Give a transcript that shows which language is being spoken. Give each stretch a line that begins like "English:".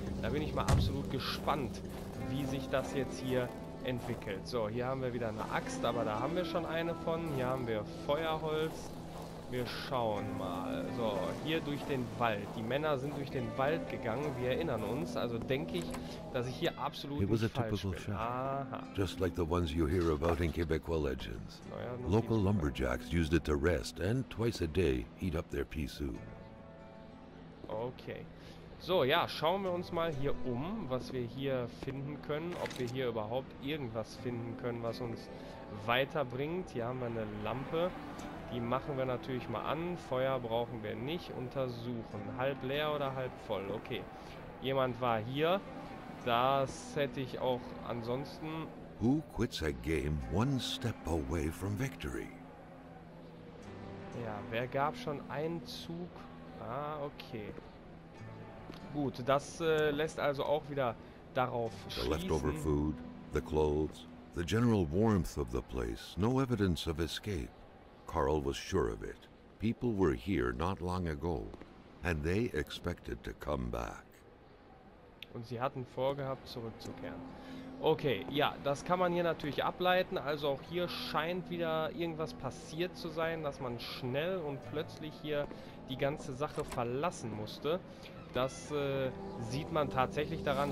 German: Da bin ich mal absolut gespannt, wie sich das jetzt hier entwickelt. So, hier haben wir wieder eine Axt, aber da haben wir schon eine von. Hier haben wir Feuerholz. Wir schauen mal. So, hier durch den Wald. Die Männer sind durch den Wald gegangen. Wir erinnern uns. Also denke ich, dass ich hier absolut nicht falsch bin.
English: It was a typical shot. Aha. Just like the ones you hear about in Quebecois legends. Local lumberjacks used it to rest and twice a day eat up their pea soup. Okay.
German: So, ja, schauen wir uns mal hier um, was wir hier finden können. Ob wir hier überhaupt irgendwas finden können, was uns weiterbringt. Hier haben wir eine Lampe. Die machen wir natürlich mal an. Feuer brauchen wir nicht. Untersuchen. Halb leer oder halb voll? Okay. Jemand war hier. Das hätte ich auch ansonsten.
English: Who quits a game one step away from victory?
German: Ja, wer gab schon einen Zug? Ah, okay. Gut, das lässt also auch wieder darauf schließen.
English: The leftover food, the clothes, the general warmth of the place. No evidence of escape. Carl was sure of it. People were here not long ago, and they expected to come back.
German: Und sie hatten vorgehabt, zurückzukehren. Okay, ja, das kann man hier natürlich ableiten. Also auch hier scheint wieder irgendwas passiert zu sein, dass man schnell und plötzlich hier die ganze Sache verlassen musste. Das sieht man tatsächlich daran.